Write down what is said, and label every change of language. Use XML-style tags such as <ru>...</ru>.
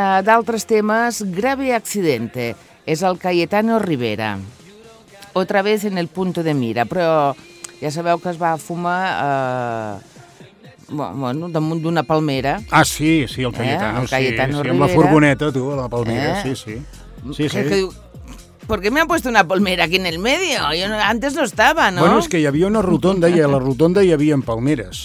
<ca>D'altres temes,</ca> <es>grave accidente.</es> <ca>És el Cayetano Rivera.</ca> <es>Otra vez en el punto de mira, però...</es> <ca>Ja sabeu que es va fumar damunt d'una palmera. Ah, sí, sí, el Cayetano. El Cayetano Rivera. Sí, amb la furgoneta, tu, a la palmera, sí, sí. Sí, sí. Que diu,</ca> <es>¿por qué me han puesto una palmera aquí en el medio? Yo no, antes no estaba, ¿no?</es> <ca>Bueno, és que hi havia una rotonda i a la rotonda hi havia palmeres.</ca>